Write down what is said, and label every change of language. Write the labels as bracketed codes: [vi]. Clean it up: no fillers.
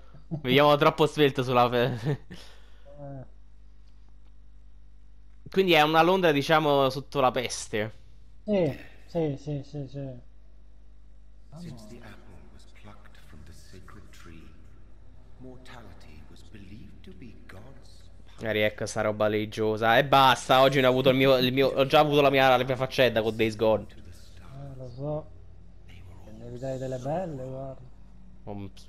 [it] Vediamo troppo svelto sulla. Quindi è una Londra, diciamo, sotto la peste. Sì. [en] Since the apple was plucked from the sacred tree, mortality was believed to be God's. [it] Magari ecco sta roba religiosa. E basta, oggi ho avuto il mio ho già avuto la mia faccenda con Days Gone. Lo so. Ne vedrai delle belle, guarda.